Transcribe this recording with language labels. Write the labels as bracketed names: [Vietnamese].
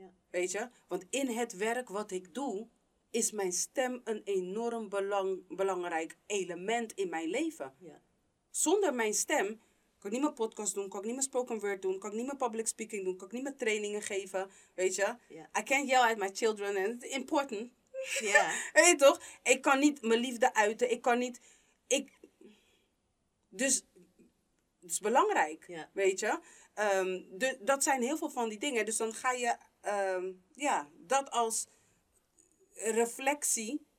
[Dutch] Weet je? Want in het werk wat ik doe, is mijn stem een enorm belangrijk element in mijn leven. Ja. Zonder mijn stem kan ik niet mijn podcast doen, kan ik niet mijn spoken word doen, kan ik niet mijn public speaking doen, kan ik niet mijn trainingen geven, weet je? Ja. [English] I can't yell at my children and it's important. [Dutch] Ja. Weet je toch? Ik kan niet mijn liefde uiten, ik kan niet... Dus het is belangrijk, ja. Weet je? Dat zijn heel veel van die dingen. Dus dan ga je dat als reflectie...